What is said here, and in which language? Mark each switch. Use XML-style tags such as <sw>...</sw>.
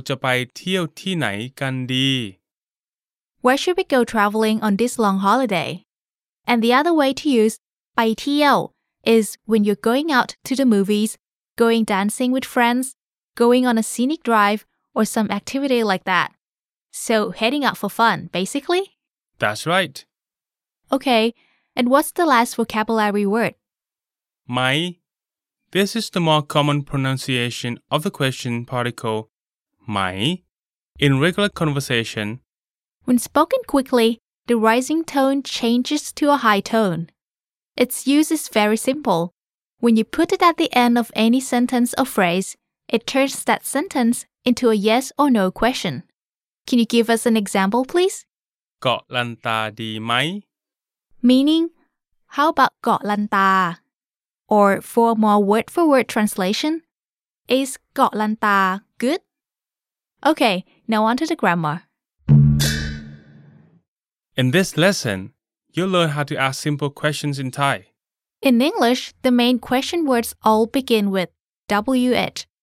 <th>วันหยุดยาวนี้เราจะไปเที่ยวที่ไหนกันดี?</th> <en>Where should we go traveling on this long holiday? And the other way to use ไปเที่ยว is when you're going out to the movies, going dancing with friends, going on a scenic drive, or some activity like that. So heading out for fun, basically? That's right. Okay, and what's the last vocabulary word? Mai. This is the more common pronunciation of the question particle mai in regular conversation. When spoken quickly, the rising tone changes to a high tone. Its use is very simple. When you put it at the end of any sentence or phrase, it turns that sentence into a yes or no question. Can you give us an example, please?</en> <th>เกาะลันตาดีไหม?</th> <en>Meaning, how about เกาะลันตา? Or for a more word-for-word translation, is เกาะลันตา good? Okay, now on to the grammar. In this lesson, you'll learn how to ask simple questions in Thai. In English, the main question words all begin with WH.</en>